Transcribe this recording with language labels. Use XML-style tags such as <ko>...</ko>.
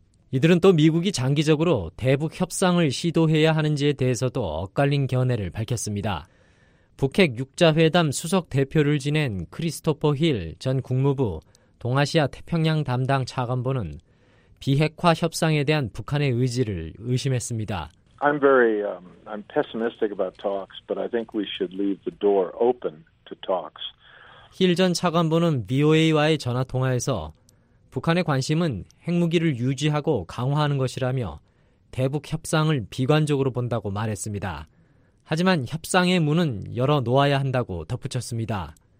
<ko>이들은 또 미국이 장기적으로 대북 협상을 시도해야 하는지에 대해서도 엇갈린 견해를 밝혔습니다. 북핵 6자회담 수석 대표를 지낸 크리스토퍼 힐 전 국무부 동아시아 태평양 담당 차관보는 비핵화 협상에 대한 북한의 의지를 의심했습니다.</ko> <en>I'm pessimistic about talks, but I think we should leave the door open to talks.</en> <ko>힐 전 차관보는 VOA와의 전화 통화에서 북한의 관심은 핵무기를 유지하고 강화하는 것이라며 대북 협상을 비관적으로 본다고 말했습니다. 하지만 협상의 문은 열어놓아야 한다고 덧붙였습니다.</ko>